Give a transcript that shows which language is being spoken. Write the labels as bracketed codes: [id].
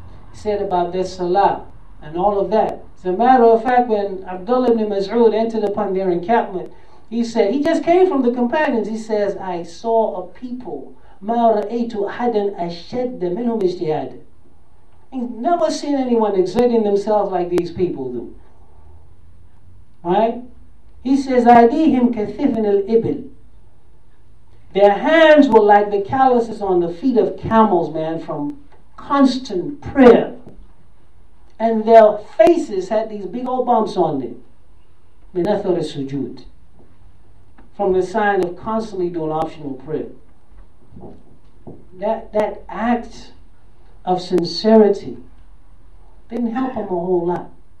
[en] He said about their salah and all of that. As a matter of fact, when Abdullah ibn Mas'ud entered upon their encampment, he said, he just came from the companions. He says, I saw a people, [ar] مَا رَأَيْتُ أَحَدًا أَشَدَّ مِنْهُمْ اجْتِهَادًا. [en] He's never seen anyone exerting themselves like these people do. Right? He says, [ar] أَيْدِيهِمْ كَثِفْنَ الْإِبِلِ. [en] Their hands were like the calluses on the feet of camels, man, from constant prayer. And their faces had these big old bumps on them. [ar] مِنْ أَثَرِ السُّجُودِ. [en] From the sign of constantly doing optional prayer. That act of sincerity didn't help him a whole lot.